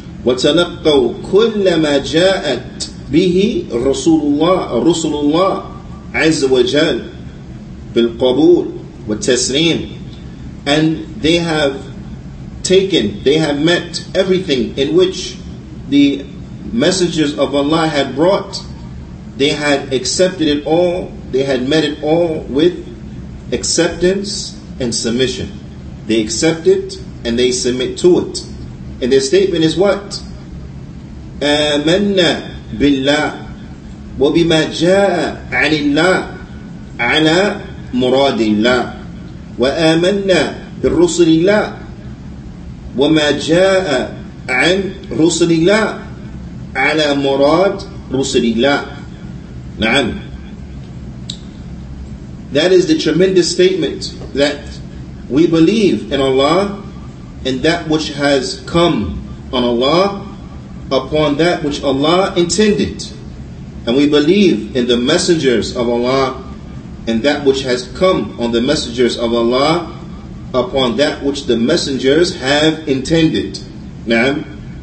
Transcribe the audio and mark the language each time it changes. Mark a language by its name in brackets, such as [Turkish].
[Arabic] وَتَلَقَّوْ كُلَّ مَا جَاءَتْ بِهِ رُسُلُ اللَّهِ عز وجل بالقبول والتسليم, [English] and they have taken, they have met everything in which the messengers of Allah had brought. They had accepted it all, they had met it all with acceptance and submission. They accept it and they submit to it. And their statement is what? [Arabic] آمنا بالله وبما جاء عن الله على مراد الله وآمنا بالرسل الله وما جاء عن رسل الله على مراد رسل الله. نعم. [English] That is the tremendous statement, that we believe in Allah and that which has come on Allah upon that which Allah intended. And we believe in the messengers of Allah and that which has come on the messengers of Allah upon that which the messengers have intended. Naam.